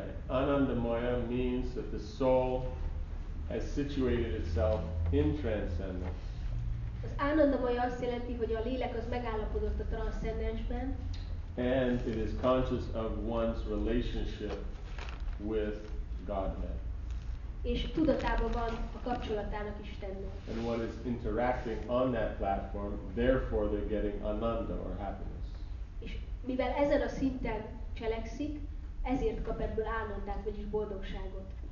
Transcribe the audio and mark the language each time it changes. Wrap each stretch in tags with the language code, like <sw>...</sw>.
<en>Anandamaya means that the soul has situated itself in transcendence.</en> <hu>Az anandamaya azt jelenti, hogy a lélek az megállapodott a transzcendensben.</hu> <en>And it is conscious of one's relationship with Godhead.</en> <hu>És tudatában van a kapcsolatának Istennel.</hu> <en>And one is interacting on that platform, therefore they're getting ananda or happiness.</en> <hu>És mivel ezen a szinten cselekszik, ezért kap ebből ánandát, vagyis boldogságot.</hu>